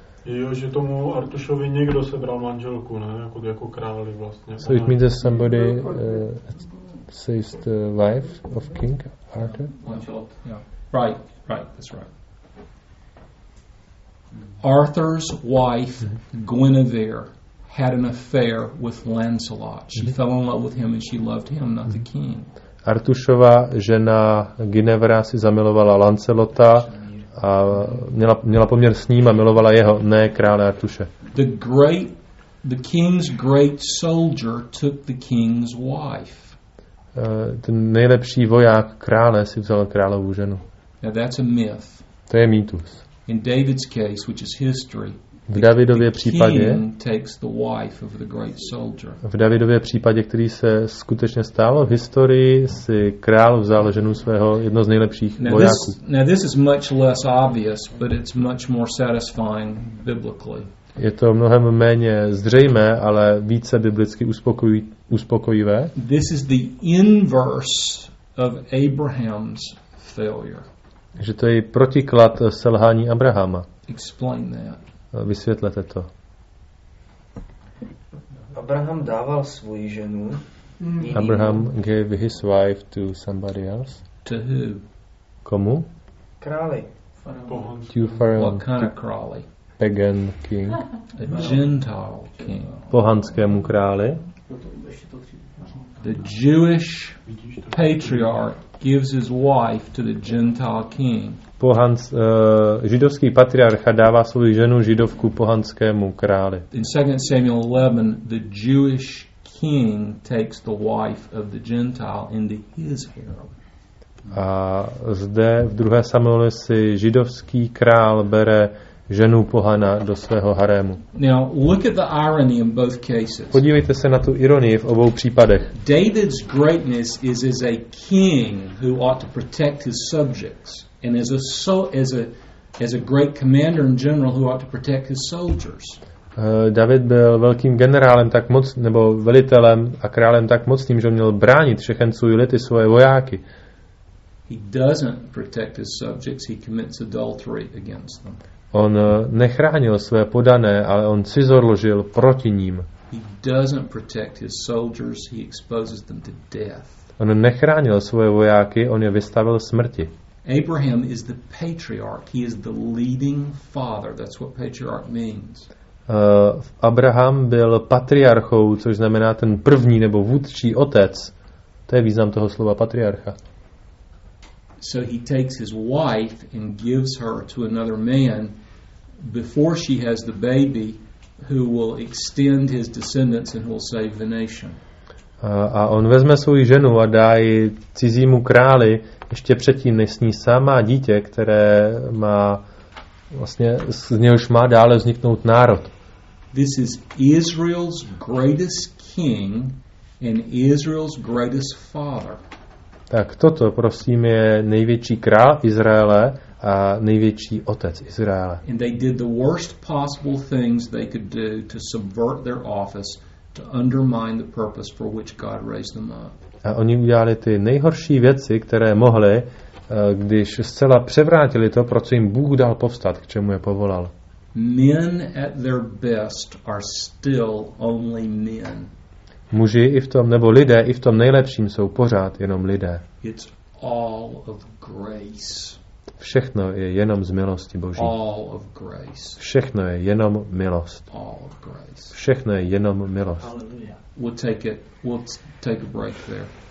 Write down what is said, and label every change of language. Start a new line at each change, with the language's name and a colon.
Czech: Jo, že tomu Artušovi někdo sebral manželku, ne? Jako králi vlastně.
English: So it means that somebody seized the wife of King Arthur? Lancelot, yeah. Right, that's right. Arthur's wife, Guinevere, had an affair with Lancelot. She fell in love with him and she loved him, not the king.
Czech: Artušova žena Guinevera si zamilovala Lancelota a měla poměr s ním a milovala jeho, ne krále Artuše.
English: The king's great soldier took the king's wife.
Czech: Ten nejlepší voják krále si vzal královu ženu.
English: Now that's a myth.
Czech: To je mýtus.
English: In David's case, which is history,
Czech: v Davidově případě,
English: king takes the wife of the great soldier.
Czech: V Davidově případě, který se skutečně stalo v historii, si král vzal ženu svého jednoho z nejlepších vojáků.
English: Now this is much less obvious, but it's much more satisfying biblically.
Czech: Je to mnohem méně zřejmé, ale více biblicky uspokojivé.
English: This is the inverse of Abraham's failure.
Czech: Že to je protiklad selhání Abrahama.
English: Explain that.
Czech: Vysvětlete to. Abraham dával svoji ženu.
English: Abraham gave his wife to somebody else. To who?
Czech: Komu? Králi.
English: To Pharaoh. What kind of králi? Pagan king. A Gentile king.
Czech: Pohanskému králi.
English: The Jewish patriarch gives his wife to the Gentile king.
Czech: Židovský patriarcha dává svou ženu židovku pohanskému králi.
English: In 2 Samuel 11, the Jewish king takes the wife of the Gentile into his harem.
Czech: A zde v 2. Samuelu si židovský král bere ženu pohana do svého harému.
English: Now look at the irony in both cases.
Czech: Podívejte se na tu ironii v obou případech.
English: David's greatness is as a king who ought to protect his subjects. And as a great commander and general who ought to protect his soldiers.
Czech: David byl velkým generálem tak moc nebo velitelem a králem tak mocným, že měl bránit všechen svůj lid i svoje vojáky.
English: He doesn't protect his subjects, he commits adultery against them.
Czech: On nechránil své podané, ale on cizorložil proti ním.
English: He doesn't protect his soldiers, he exposes them to death.
Czech: On nechránil svoje vojáky, on je vystavil smrti.
English: Abraham is the patriarch. He is the leading father. That's what patriarch means.
Czech: Abraham byl patriarchou, což znamená ten první nebo vůdčí otec. To je význam toho slova patriarcha.
English: So he takes his wife and gives her to another man before she has the baby who will extend his descendants and who will save the nation.
Czech: A on vezme svou ženu a dá ji cizímu králi ještě předtím, než s ní sám má dítě, které má vlastně, z něhož má dále vzniknout národ.
English: This is Israel's greatest king and Israel's greatest father.
Czech: Tak toto, prosím, je největší král Izraele a největší otec Izraele.
English: And they did the worst possible things they could do to subvert their office to undermine the purpose for which God raised them up.
Czech: A oni udělali ty nejhorší věci, které mohli, když zcela převrátili to, pro co jim Bůh dal povstat, k čemu je povolal.
English: Men at their best are still only men.
Czech: Muži i v tom, nebo lidé i v tom nejlepším jsou pořád jenom lidé.
English: It's all of grace.
Czech: Všechno je jenom z milosti Boží.
English: All of grace.
Czech: Všechno je jenom milost.
English: All of grace.
Czech: Všechno je jenom milost.
English: Hallelujah. We'll take a break there.